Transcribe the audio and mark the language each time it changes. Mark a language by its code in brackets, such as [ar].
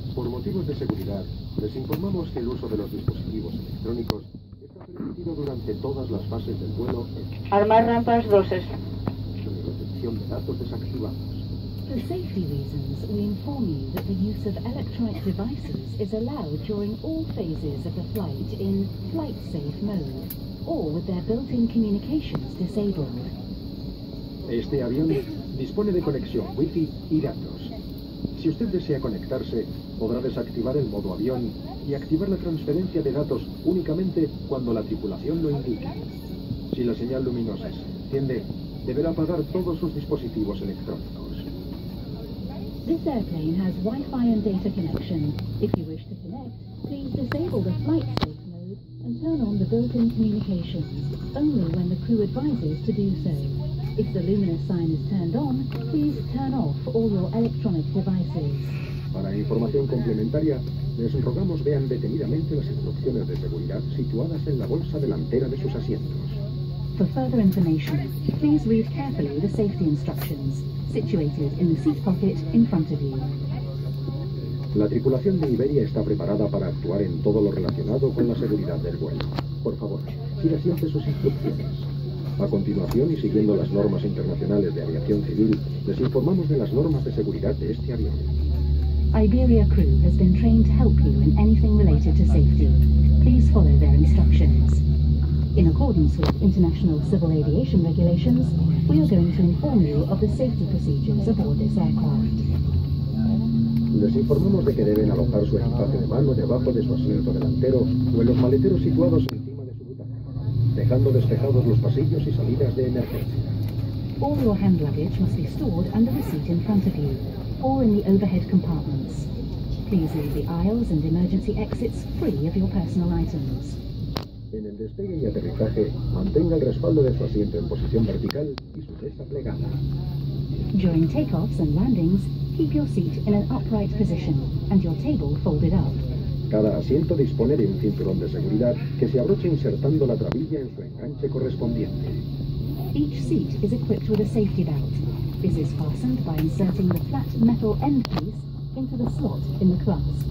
[es] motivos de seguridad, les informamos que el uso de los dispositivos electrónicos está permitido durante todas las fases del vuelo. Armar rampas 2S. La protección de datos desactivamos. [en] For safety reasons, we inform you that the use of electronic devices is allowed during all phases of the flight in flight safe mode, or with their built-in communications disabled. [es] Este avión dispone de conexión Wi-Fi y datos. Si usted desea conectarse, podrá desactivar el modo avión y activar la transferencia de datos únicamente cuando la tripulación lo indique. Si la señal luminosa se enciende, deberá apagar todos sus dispositivos electrónicos. [en] This airplane has Wi-Fi and data connection. If you wish to connect, please disable the flight safe mode and turn on the built-in communications, only when the crew advises to do so. If the luminous sign is turned on, please turn off all your electronic devices. [es] Para información complementaria, les rogamos vean detenidamente las instrucciones de seguridad situadas en la bolsa delantera de sus asientos. [en] For further information, please read carefully the safety instructions situated in the seat pocket in front of you. [es] La tripulación de Iberia está preparada para actuar en todo lo relacionado con la seguridad del vuelo. Por favor, siga siempre sus instrucciones. A continuación, y siguiendo las normas internacionales de aviación civil, les informamos de las normas de seguridad de este avión. [en] Iberia crew has been trained to help you in anything related to safety. Please follow their instructions. In accordance with international civil aviation regulations, we are going to inform you of the safety procedures aboard this aircraft. [es] Les informamos de que deben alojar su equipaje de mano debajo de su asiento delantero o en los maleteros situados encima de su butaca, dejando despejados los pasillos y salidas de emergencia. [en] All your hand luggage must be stored under the seat in front of you or in the overhead compartments. Please leave the aisles and emergency exits free of your personal items. [es] En el despegue y aterrizaje, mantenga el respaldo de su asiento en posición vertical y su testa plegada. [en] During takeoffs and landings, keep your seat in an upright position and your table folded up. [es] Cada asiento dispone de un cinturón de seguridad que se abrocha insertando la trabilla en su enganche correspondiente. [en] Each seat is equipped with a safety belt. This is fastened by inserting the flat metal end piece into the slot in the clasp.